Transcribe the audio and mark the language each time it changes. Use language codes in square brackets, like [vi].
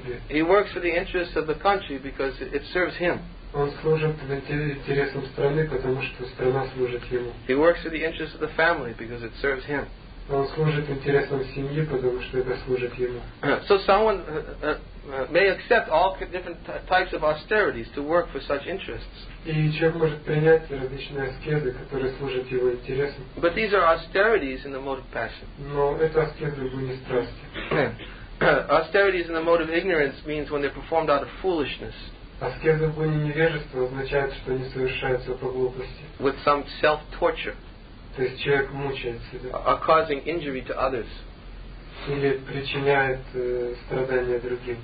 [en] He works for the interest of the country because it serves him. [ru] Он служит в интересах страны, потому что страна служит ему. [en] He works for the interest of the family because it serves him. [ru] Он служит интересам семьи, потому что это служит ему. [en] So someone may accept all different types of austerities to work for such interests. [ru] И человек может принять различные аскезы, которые служат его интересам. [en] But these are austerities in the mode of passion. [ru] Но это аскезы в уме страсти. [en] Austerities in the mode of ignorance means when they're performed out of foolishness. [ru] Аскеза в гуне невежества означает, что они совершаются по глупости. [en] With some self-torture. [ru] То есть человек мучает себя. [en] Or causing injury to others. [ru] Или причиняет страдания другим.